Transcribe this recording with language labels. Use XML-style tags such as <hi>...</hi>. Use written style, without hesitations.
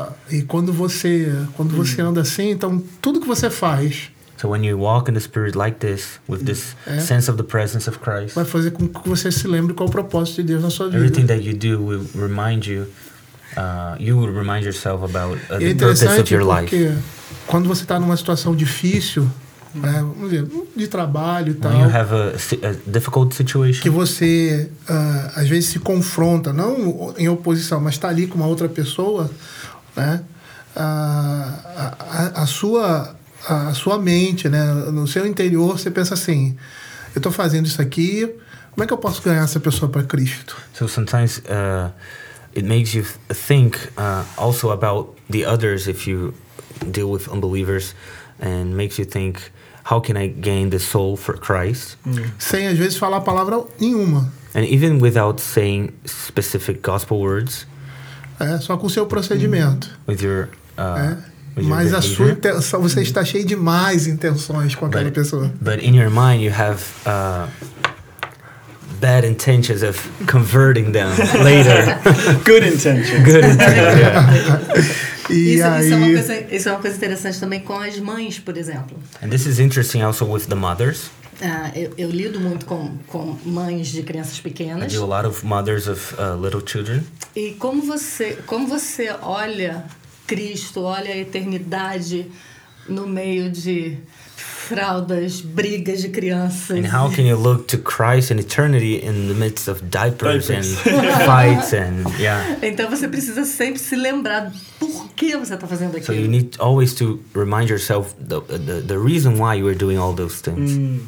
<pt>E quando você anda assim, então tudo que você faz.</pt> <en>So when you walk in the Spirit like this, with this sense of the presence of Christ,</en> <pt>vai fazer com que você se lembre qual é o propósito de Deus na sua vida.</pt> <en>Everything that you do will remind you, you will remind yourself about the purpose of your life.</en> <pt>Porque quando você está numa situação difícil, vamos dizer, de trabalho e tal,</pt> <en>when you have a difficult situation,</en> <pt>que você às vezes se confronta, não em oposição, mas está ali com uma outra pessoa, né? A sua mente, né? No seu interior, você pensa assim: eu estou fazendo isso aqui, como é que eu posso ganhar essa pessoa para Cristo?</pt> <en>So sometimes it makes you think also about the others if you deal with unbelievers, and makes you think, how can I gain the soul for Christ?</en> <pt>Sem às vezes falar palavra nenhuma.</pt> <en>And even without saying specific gospel words.</en> <pt>Só com o seu procedimento.</pt> <en>With your</en> <pt>Mas a sua intenção, você está cheio de más intenções com aquela pessoa.</pt> <en>But in your mind you have bad intentions of converting them later. Good intentions. Good intentions. Yeah.</en> <pt>isso é uma coisa interessante também com as mães, por exemplo.</pt> <en>And this is interesting also with the mothers.</en> <pt>Eu lido muito com mães de crianças pequenas.</pt> <en>I do a lot of mothers of little children.</en> <pt>E como você olha Cristo, olha a eternidade no meio de fraldas, brigas de crianças.</pt> <en>And how can you look to Christ and eternity in the midst of diapers and fights and yeah.</en> <pt>Então você precisa sempre se lembrar por que você está fazendo aquilo.</pt> <en>So you need always to remind yourself the reason why you are doing all those things.</en>